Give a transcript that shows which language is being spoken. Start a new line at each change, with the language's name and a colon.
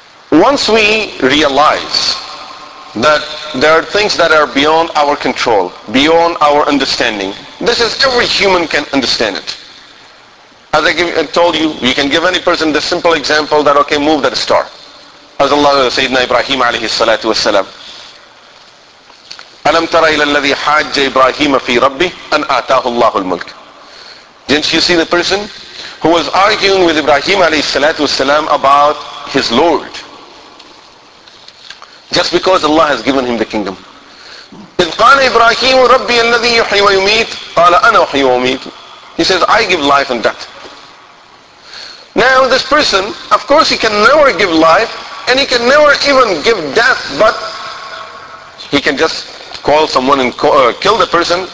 English: Once we realize that there are things that are beyond our control, beyond our understanding, this is every human can understand it. As I told you, you can give any person the simple example that, okay, move that star. As Allah says,
Arabic: Sayyidina Ibrahim alayhi salatu wa salam, أَلَمْ تَرَى إِلَى الَّذِي حَاجَّ إِبْرَاهِيمَ فِي رَبِّهِ أَنْ آتَاهُ اللَّهُ الْمُلْكِ.
English: Didn't you see the person who was arguing with Ibrahim alayhi salatu wa salam about his Lord? Just because Allah has given him the kingdom.
Arabic: إِذْ قَالَ إِبْرَاهِيمُ رَبِّيَ الَّذِي يُحْيِي وَيُمِيتُ قَالَ أَنَا أُحْيِي وَأُمِيتُ.
English: He says, I give life and death. Now this person, of course he can never give life and he can never even give death, but he can just call someone and kill the person.